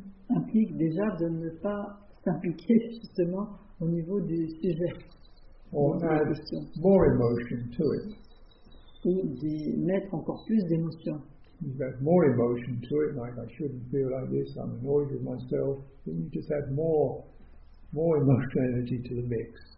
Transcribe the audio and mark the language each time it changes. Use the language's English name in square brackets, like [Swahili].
[French] Implique déjà de ne pas s'impliquer justement au niveau du sujet. [English] Or add more emotion to it. [French] Ou d'y mettre encore plus d'émotions. [English] You add more emotion to it, like I shouldn't feel like this, I'm annoyed with myself. Then you just add more emotional energy to the mix.